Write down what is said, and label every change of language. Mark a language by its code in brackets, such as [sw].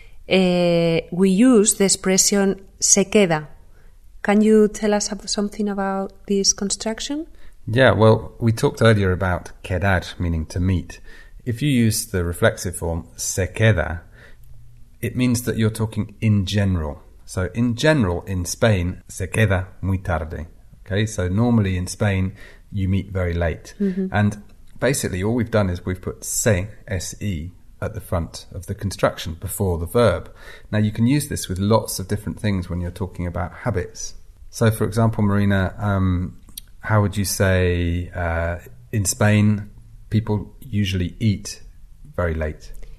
[en] We use the expression se queda. Can you tell us something about this construction? Yeah, well, we talked earlier about quedar, meaning to meet. If you use the reflexive form se queda, it means that you're talking in general. So in general, in Spain, [es] se queda muy tarde. [en] Okay, so normally in Spain, you meet very late. Mm-hmm. And basically, all we've done is we've put se, S-E, at the front of the construction before the verb. Now, you can use this with lots of different things when you're talking about habits. So, for example, Marina, how would you say in Spain, people usually eat very late?